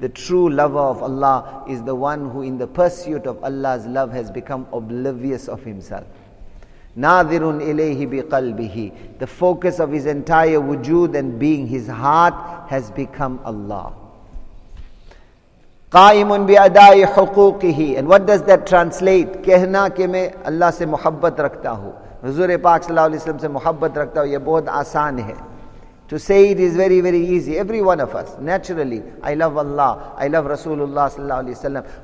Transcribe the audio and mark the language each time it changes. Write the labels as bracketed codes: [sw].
[en] The true lover of Allah is the one who in the pursuit of Allah's love has become oblivious of himself. [ar] Nadhirun ilayhi biqalbihi. [en] The focus of his entire wujud and being, his heart, has become Allah. [ar] قَائِمٌ بِعَدَاءِ حُقُوقِهِ. [en] And what does that translate? [ur] کہنا کہ میں اللہ سے محبت رکھتا ہوں. حضور پاک صلی اللہ علیہ وسلم سے محبت رکھتا ہوں. یہ بہت آسان ہے. [en] To say it is very, very easy. Every one of us, naturally, I love Allah, I love Rasulullah sallallahu alaihi wasallam.